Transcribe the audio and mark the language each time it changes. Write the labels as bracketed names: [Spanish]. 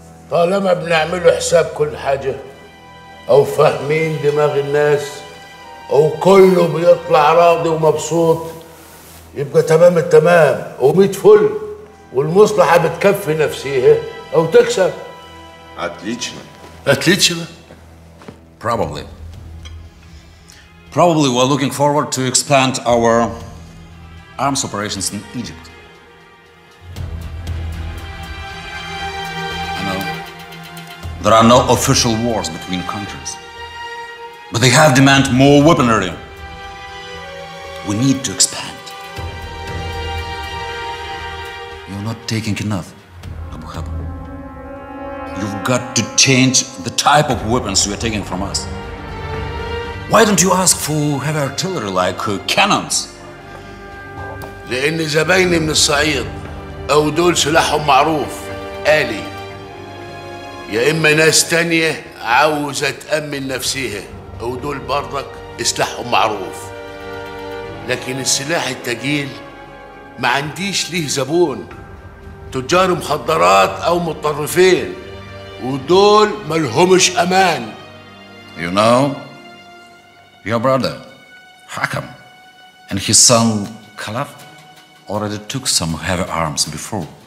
[Arabic] طالما بنعملوا حساب كل حاجة أو فاهمين دماغ الناس أو كله بيطلع راضي ومبسوط يبقى تمام التمام وميت فل والمصلحة بتكفي نفسيها أو تكسب. أتليتشنا أتليتشنا [English] probably probably we're looking forward to expand our arms operations in Egypt. There are no official wars between countries. But they have demand more weaponry. We need to expand. You're not taking enough, Abu Haba. You've got to change the type of weapons you are taking from us. Why don't you ask for heavy artillery like cannons? [Arabic] لأن زبايني من الصعيد أو دول سلاحهم معروف آلي. يا إما ناس تانية عاوزة تأمن نفسيها أو دول برضك سلاحهم معروف لكن السلاح التقيل ما عنديش ليه زبون تجار مخدرات أو متطرفين ودول ملهمش أمان. [English] You know your brother Hakam and his son Khalaf already took some heavy arms before.